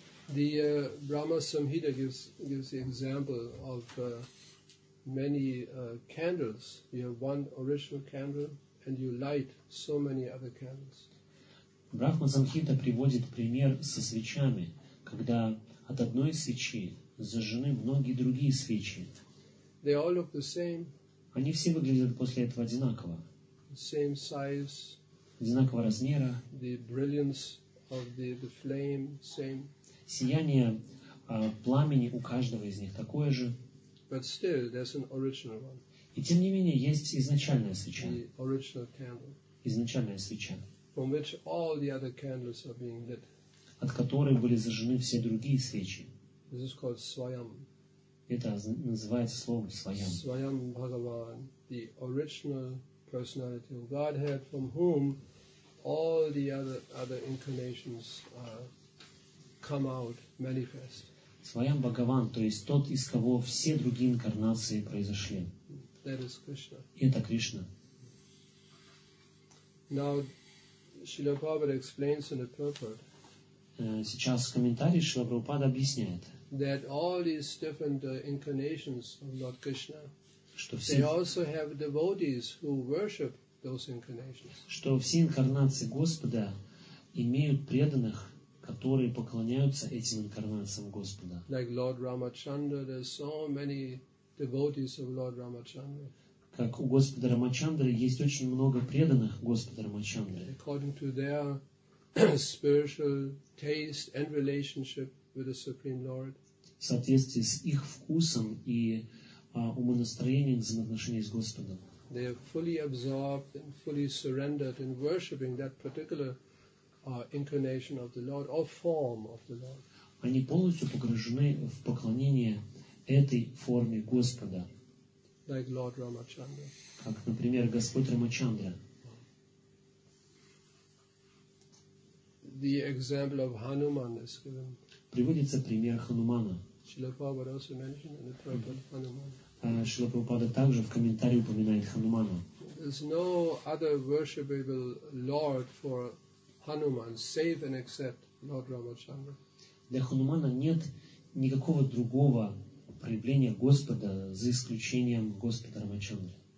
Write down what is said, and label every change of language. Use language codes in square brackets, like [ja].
[en] The Brahma Samhita gives the example of many candles. You have one original candle and you light so many other candles. [ru] Брахма Самхита приводит пример со свечами, когда от одной свечи зажжены многие другие свечи. [en] They all look the same. [ru] Они все выглядят после этого одинаково. [en] Same size. [ru] Одинакового размера. [en] The brilliance of the flame, same. [ru] Сияние пламени у каждого из них такое же. [en] But still, there's an original one. [ru] И тем не менее, есть изначальная свеча. [en] The original candle. [ru] Изначальная свеча. [en] From which all the other candles are being lit. [ru] От которой были зажжены все другие свечи. [en] This is called Swayam. [ru] Это называется словом Swayam. [en] Swayam Bhagavan, the original personality of Godhead, from whom all the other incarnations come out, manifest. [ru] Swayam Bhagavan, то есть тот, из кого все другие инкарнации произошли. [en] That is Krishna. [ru] Это Кришна. [en] Now, Srila Prabhupada explains in the purport. [ru] Сейчас в комментарии Шрила Прабхупада объясняет, [en] that all these different incarnations of Lord Krishna, [ru] что все, [en] they also have devotees who worship those incarnations. [ru] Что все инкарнации Господа имеют преданных, которые поклоняются этим инкарнациям Господа. [en] Like Lord Ramachandra, there's so many devotees of Lord Ramachandra. К [ru] как у Господа Рамачандры есть очень много преданных Господа Рамачандры. [en] According to their spiritual taste and relationship with the Supreme Lord. [ru] В соответствии с их вкусом и умонастроением взаимоотношений с Господом. [en] They are fully absorbed and fully surrendered in worshiping that particular incarnation of the Lord or form of the Lord. [ru] Они полностью погружены в поклонение этой форме Господа. [en] Like Lord Ramachandra. [ru] Как, например, Господь Рамачандра. [en] The example of Hanuman is given. [ru] Приводится пример Ханумана. [en] Srila Prabhupada also mentioned in the Prabhupada Hanuman. [ru] Шрила Прабхупада также в комментарии упоминает Хануману. [en] There's no other worshipable Lord for Hanuman, save and except Lord Ramachandra. [ru] Для Ханумана нет никакого другого проявления Господа, за исключением Господа Рамачандры.